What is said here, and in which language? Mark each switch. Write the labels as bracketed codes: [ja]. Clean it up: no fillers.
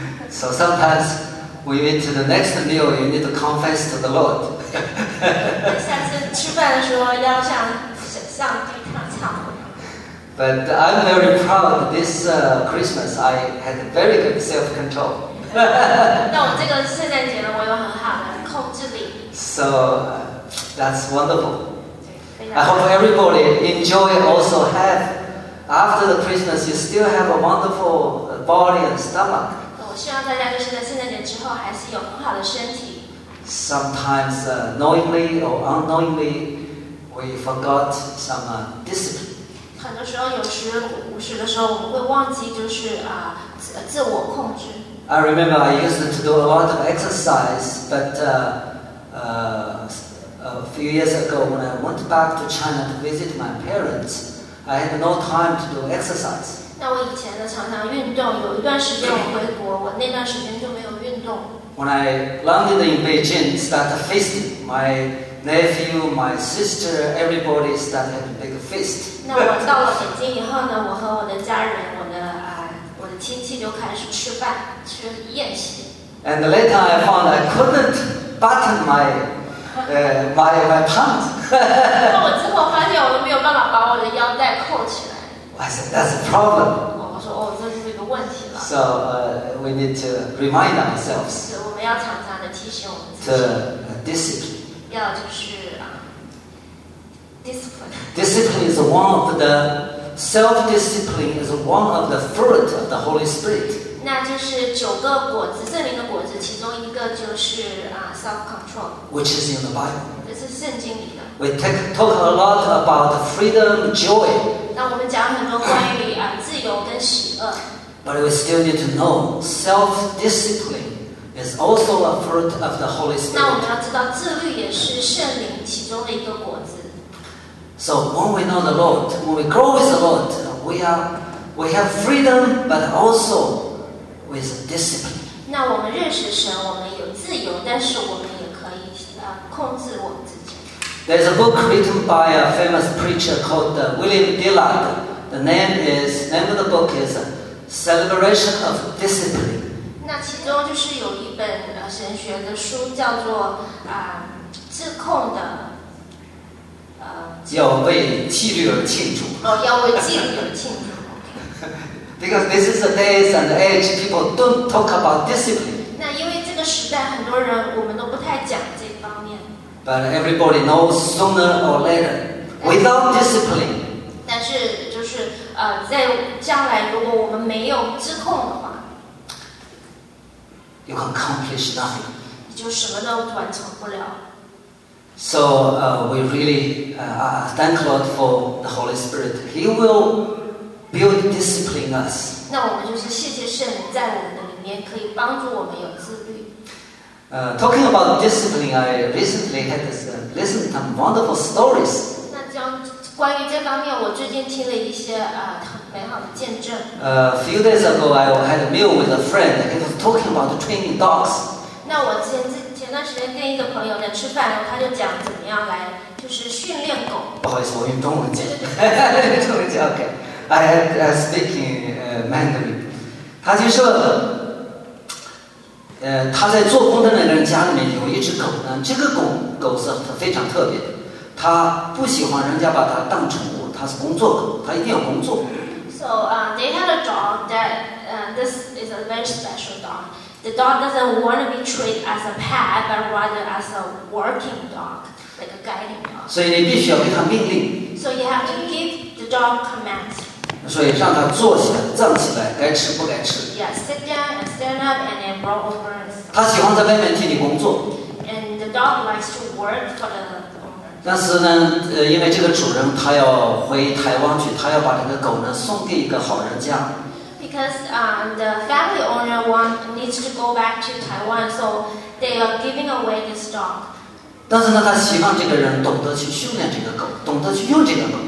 [en] So sometimes we eat to the next meal, you need to confess to the Lord. [zh] 下次吃饭的时候要向地上唱。 [en] But I'm very proud this Christmas I had very good self-control. [zh] 但我这个圣诞节呢，我有很好的控制力。 [en] So that's wonderful. I hope everybody enjoy also have after the Christmas, you still have a wonderful body and stomach. [zh] 我希望大家就是在圣诞节之后还是有很好的身体。 [en] Sometimes knowingly or unknowingly, we forgot some discipline. [zh] 很多时候，有时的时候，我们会忘记就是自我控制。 [en] I remember I used to do a lot of exercise, but a few years ago, when I went back to China to visit my parents, I had no time to do exercise. [zh] 那我以前呢，常常运动。有一段时间我回国，我那段时间就没有运动。 [en] When I landed in Beijing, started feasting. My nephew, my sister, everybody started having a big feast. [zh] 那我到了北京以后呢，我和我的家人，我的亲戚就开始吃饭，吃宴席。 [en] And later, I found I couldn't button my pants. [zh] 那我最后发现我都没有办法把我的腰带扣起来。 [en] I said that's a problem. [zh] 我说哦，这是一个问题了。 [en] So we need to remind ourselves. [zh] 是我们要常常的提醒我们自己。 [en] To discipline. [zh] 要就是discipline. [en] Discipline is one of the self-discipline is one of the fruit of the Holy Spirit. [zh] 那就是九个果子，圣灵的果子，其中一个就是self-control. [en] Which is in the Bible. [zh] 这是圣经里的。 [en] We talk a lot about freedom, joy. [zh] 那我们讲很多关于自由跟喜乐。 [en] But we still need to know self-discipline is also a fruit of the Holy Spirit. [zh] 那我们要知道自律也是圣灵其中的一个果子。 [en] So when we know the Lord, when we grow with the Lord, we have freedom, but also with discipline. [zh] 那我们认识神，我们有自由，但是我们也可以控制我们自己。 [en] There's a book written by a famous preacher called William Dillard. The name of the book is Celebration of Discipline. [zh] 那其中就是有一本神学的书叫做自控的。要为纪律而庆祝。哦，要为纪律而庆祝。 [en] Because this is the days and the age, people don't talk about discipline. [zh] 那因为这个时代，很多人我们都不太讲这方面。 [en] But everybody knows sooner or later, without discipline. [zh] 但是就是在将来，如果我们没有自控的话 [en] ，you can accomplish nothing. [zh] 你就什么都完成不了。 [en] So we really thank God for the Holy Spirit. He will build discipline us. [zh] 那我们就是谢谢圣灵在我们的里面，可以帮助我们有自律。 [en] Talking about discipline, I recently had listened to some wonderful stories. [zh] 那将关于这方面，我最近听了一些美好的见证。 [en] Few days ago, I had a meal with a friend. He was talking about training dogs. [zh] 那我前段时间跟一个朋友在吃饭，他就讲怎么样来就是训练狗。不好意思，我用中文讲。中文讲 OK。 [en] I had speaking Mandarin。 [zh] 他就说，他在做工的那个人家里面有一只狗呢。这个狗是非常特别的，他不喜欢人家把它当宠物，它是工作狗，它一定要工作。 [en] So they had a dog this is a very special dog. The dog doesn't want to be treated as a pet, but rather as a working dog, like a guiding dog. [zh] 所以你必须要给他命令。 [en] So you have to give the dog commands. [zh] 所以让他坐起来，站起来，该吃不该吃。 [en] Yeah, sit down, stand up, and then roll over. [zh] 他喜欢在外面替你工作。 [en] And the dog likes to work for the owner. [zh] 但是呢，因为这个主人他要回台湾去，他要把这个狗呢送给一个好人家。 [en] Because the family owner needs to go back to Taiwan, so they are giving away this dog. [zh] 但是呢，他希望这个人懂得去训练这个狗，懂得去用这个狗。